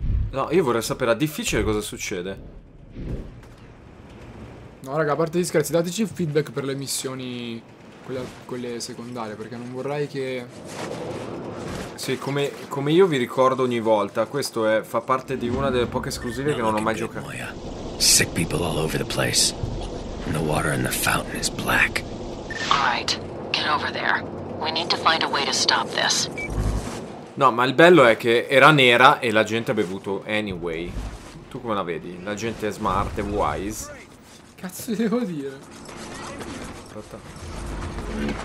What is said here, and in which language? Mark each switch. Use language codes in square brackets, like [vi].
[it] No, io vorrei sapere a difficile cosa succede. No, raga, a parte gli scherzi, dateci feedback per le missioni, quelle secondarie, perché non vorrei che... Sì, come io vi ricordo ogni volta, questo è fa parte di una delle poche esclusive che non ho mai giocato. Moya. [en] Sick people all over the place. The water in the fountain is black. All right, get over there. We need to find a way to stop this. [it] No, ma il bello è che era nera e la gente ha bevuto anyway. Tu come la vedi? La gente è smart e wise. Cazzo devo dire? Aspetta.